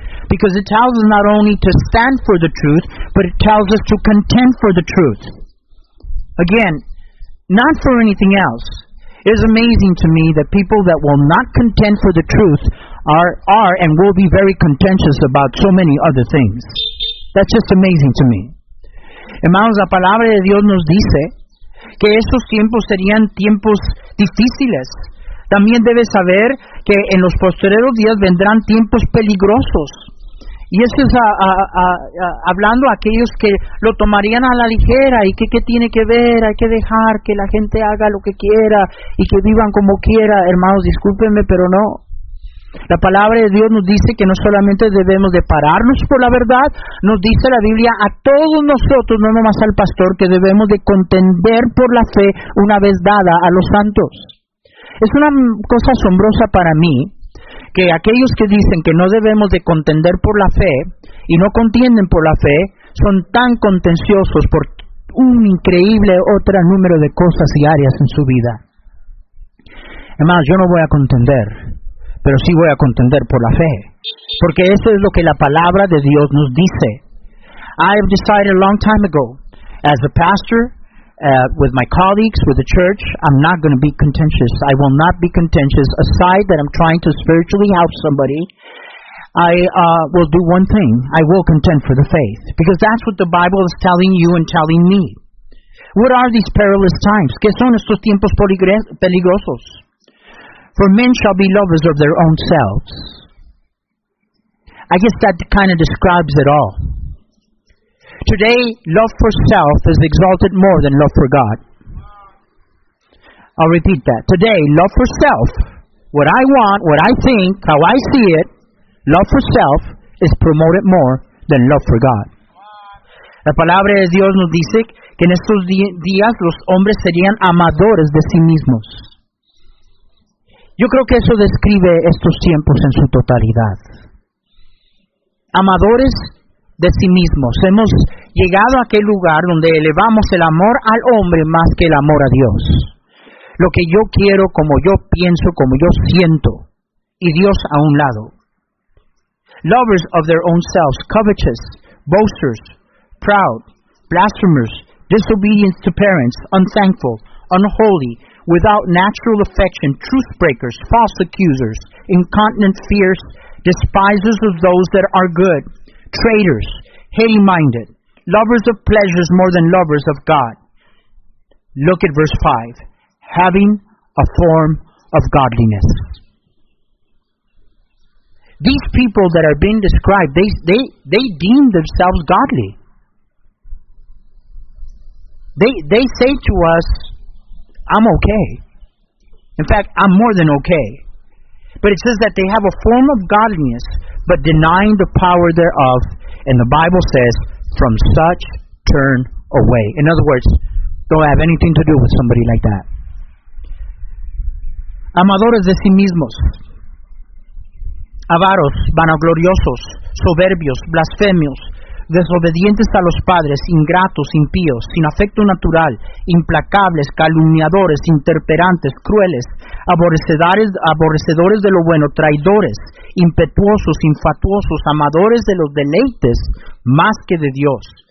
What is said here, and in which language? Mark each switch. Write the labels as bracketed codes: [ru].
[en] Because it tells us not only to stand for the truth, but it tells us to contend for the truth. Again, not for anything else. It is amazing to me that people that will not contend for the truth are and will be very contentious about so many other things. That's just amazing to me. [es] Hermanos, la palabra de Dios nos dice que estos tiempos serían tiempos difíciles. También debes saber que en los postreros días vendrán tiempos peligrosos. Y esto es hablando a aquellos que lo tomarían a la ligera y que qué tiene que ver, hay que dejar que la gente haga lo que quiera y que vivan como quiera. Hermanos, discúlpenme, pero no. La palabra de Dios nos dice que no solamente debemos de pararnos por la verdad, nos dice la Biblia a todos nosotros, no nomás al pastor, que debemos de contender por la fe una vez dada a los santos. Es una cosa asombrosa para mí que aquellos que dicen que no debemos de contender por la fe y no contienden por la fe son tan contenciosos por un increíble otro número de cosas y áreas en su vida. Hermanos, yo no voy a contender, pero sí voy a contender por la fe, porque eso es lo que la palabra de Dios nos dice. [en] I have decided a long time ago, as a pastor, with my colleagues, with the church, I'm not going to be contentious. I will not be contentious. Aside that I'm trying to spiritually help somebody, I will do one thing. I will contend for the faith. Because that's what the Bible is telling you and telling me. What are these perilous times? [es] ¿Qué son estos tiempos peligrosos? [en] For men shall be lovers of their own selves. I guess that kind of describes it all. Today, love for self is exalted more than love for God. I'll repeat that. Today, love for self, what I want, what I think, how I see it, love for self is promoted more than love for God. [es] La palabra de Dios nos dice que en estos días los hombres serían amadores de sí mismos. Yo creo que eso describe estos tiempos en su totalidad. Amadores de sí mismos. Hemos llegado a aquel lugar donde elevamos el amor al hombre más que el amor a Dios. Lo que yo quiero, como yo pienso, como yo siento, y Dios a un lado. [en] Lovers of their own selves, covetous, boasters, proud, blasphemers, disobedient to parents, unthankful, unholy, without natural affection, truth breakers, false accusers, incontinent, fierce, despisers of those that are good, traitors, heady-minded, lovers of pleasures more than lovers of God. Look at verse 5. Having a form of godliness. These people that are being described, they deem themselves godly. They say to us, I'm okay. In fact, I'm more than okay. But it says that they have a form of godliness, but denying the power thereof. And the Bible says, from such turn away. In other words, don't have anything to do with somebody like that. [es] Amadores de sí mismos, avaros, vanagloriosos, soberbios, blasfemios, desobedientes a los padres, ingratos, impíos, sin afecto natural, implacables, calumniadores, intemperantes, crueles, aborrecedores de lo bueno, traidores, impetuosos, infatuosos, amadores de los deleites más que de Dios.